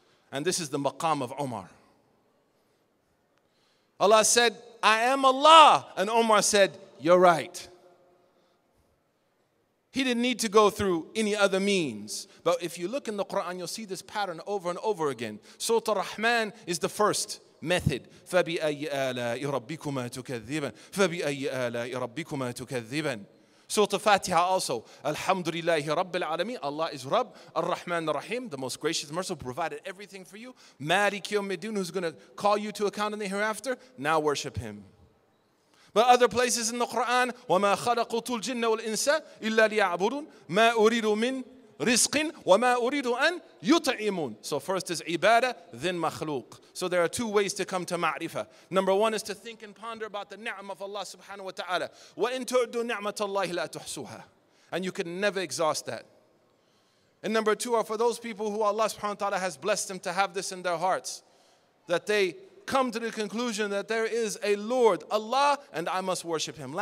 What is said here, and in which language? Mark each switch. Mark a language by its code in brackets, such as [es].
[en] And this is the maqam of Umar. Allah said, I am Allah. And Umar said, you're right. He didn't need to go through any other means. But if you look in the Quran, you'll see this pattern over and over again. Surah Ar-Rahman is the first method. [ar] فَبِأَيِّ آلَاءِ رَبِّكُمَا تُكَذِّبَنَ فَبِأَيِّ آلَاءِ رَبِّكُمَا تُكَذِّبَنَ [en] Surah Fatiha also. [ar] الْحَمْدُ لِلَّهِ رَبِّ الْعَالَمِينَ [en] Allah is Rabb, Ar-Rahman Ar-Rahim, the most gracious, merciful, provided everything for you. [ar] مَالِكِ يَوْمِ الدِّينِ, [en] who's going to call you to account in the hereafter, now worship him. But other places in the Quran, [ar] وَمَا خَلَقُتُ الْجِنَّ وَالْإِنسَ إِلَّا لِيَعْبُدُونَ مَا أُرِيدُ مِنْ رِزْقٍ وَمَا أُرِيدُ أَنْ يُطْعِمُونَ So first is ibadah, then makhluq. [en] So there are two ways to come to ma'rifah. Number one is to think and ponder about the ni'm of Allah subhanahu wa ta'ala. [ar] وَإِن تُعْدُ نِعْمَةَ اللَّهِ لَا تُحْسُوهَا [en] And you can never exhaust that. And number two are for those people who Allah subhanahu wa ta'ala has blessed them to have this in their hearts, that they come to the conclusion that there is a Lord, Allah, and I must worship him.